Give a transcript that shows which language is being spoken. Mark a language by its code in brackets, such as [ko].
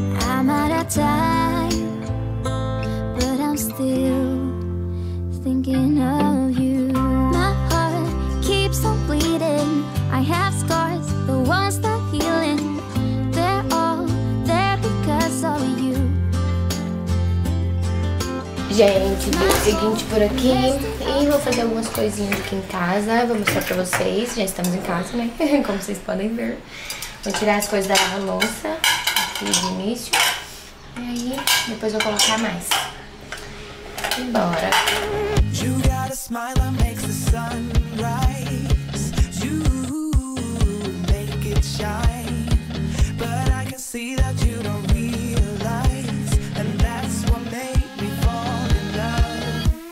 [en] I'm out of time, still thinking of you. My heart keeps on bleeding, I have scars, the ones that healing, they're all there because of you. [pt] Gente, é o seguinte por aqui, e vou fazer algumas coisinhas aqui em casa, vou mostrar pra vocês, já estamos em casa, né, como vocês podem ver. Vou tirar as coisas da lava-louça aqui de início, e aí depois vou colocar mais. [en] You got a smile that makes the sun rise. You make it shine. But I can see that you don't realize. And that's what made me fall in love.